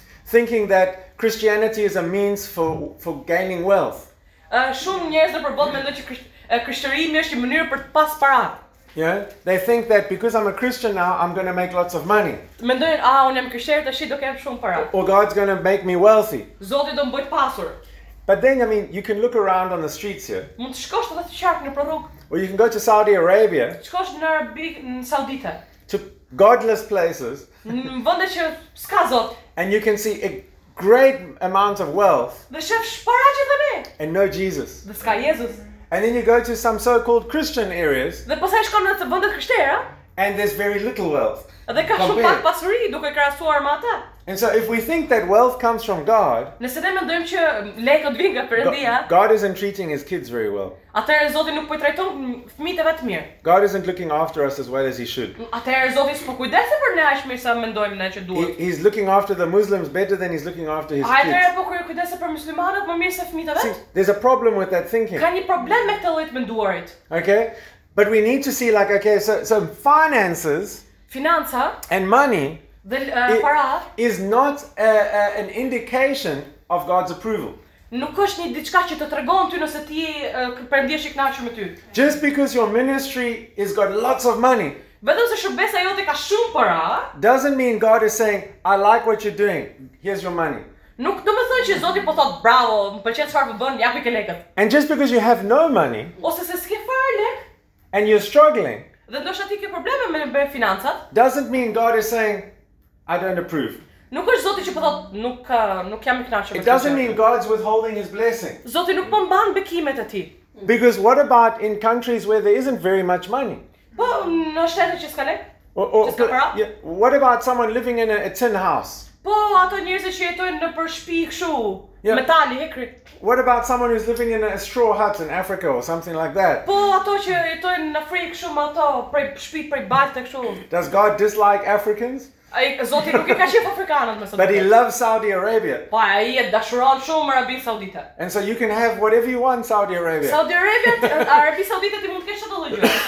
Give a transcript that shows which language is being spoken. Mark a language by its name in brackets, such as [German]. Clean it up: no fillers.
[English] Thinking that Christianity is a means for gaining wealth. [Albanian] Shumë njerëz në përbot mendojnë që krishterimi është një mënyrë për të pas para. [English] Yeah, they think that because I'm a Christian now I'm going to make lots of money. [Albanian] Mendojnë, unë jam krishterë tash do kem shumë para. [English] Or God's going to make me wealthy. [Albanian] Zoti do më bëj të pasur. [English] But then I mean you can look around on the streets here. [Albanian] Mund të shkosh edhe të qark në rrug. [English] Or you can go to Saudi Arabia. [Albanian] Shkosh në Arabik, në Saudite. [English] To godless places. [Albanian] Në vende që s'ka Zot. [English] And you can see a great amount of wealth. [Albanian] Dhe shef para që kanë. [English] And no Jesus. [Albanian] Dhe s'ka Jezus. [English] And then you go to some so-called Christian areas. [Albanian] Dhe pastaj shkon në vende krishtere. [English] And there's very little wealth. [Albanian] Dhe ka shumë pak pasuri duke krahasuar me ata. [English] And so if we think that wealth comes from God, [Albanian] nëse ne mendojmë që lekët vijnë nga Perëndia, [English] God isn't treating his kids very well. [Albanian] Atëherë Zoti nuk po I trajton fëmijët e vet mirë. [English] God isn't looking after us as well as he should. [Albanian] Atëherë Zoti s'po kujdeset për ne aq mirë sa mendojmë ne që duhet. [English] He's looking after the Muslims better than he's looking after his kids. [Albanian] Atëherë po kujdeset për muslimanët më mirë se fëmijët e vet? [English] See, there's a problem with that thinking. [Albanian] Ka një problem me këtë lloj menduarit. [English] Okay? But we need to see like okay, so finances, [Albanian] financa [English] and money [Albanian] Para [English] is not an indication of God's approval. [Albanian] Nuk është një diçka që të tregon ty nëse ti Perëndia është I kënaqur me ty. [English] Just because your ministry has got lots of money, [Albanian] vetëm se shërbesa jote ka shumë para, [English] doesn't mean God is saying, I like what you're doing. Here's your money. [Albanian] Nuk do të thonë që Zoti po thot bravo, më pëlqen çfarë po bën, japi ke lekët. [English] And just because you have no money, [Albanian] ose se s'ke fare lek, [English] and you're struggling, [Albanian] dhe ndoshta ti ke probleme me financat, [English] doesn't mean God is saying I don't approve. [Albanian] Nuk është Zoti që po thot nuk jam I kënaqur me [English] këtë. It doesn't mean God's withholding his blessing. [Albanian] Zoti nuk po mban bekimet e tij. [English] Because what about in countries where there isn't very much money? [Albanian] Po, në shtete që s'ka lek? [English] What about someone living in a tin house? [Albanian] Po, ato njerëz që jetojnë nëpër shtëpi kështu, metali, hekri. [English] What about someone who's living in a straw hut in Africa or something like that? [Albanian] Po, ato që jetojnë në Afrikë kështu me ato, prej shtëpi, prej bajte kështu. [English] Does God dislike Africans? [Albanian] Zoti nuk e ka qef afrikanët mesot. [English] But he loves Saudi Arabia. [Albanian] Po ai e dashuron shumë Arabin Saudite. [English] And so you can have whatever you want Saudi Arabia. [Albanian] Saudi Arabia, Arabi Saudite ti mund të kesh çdo gjë.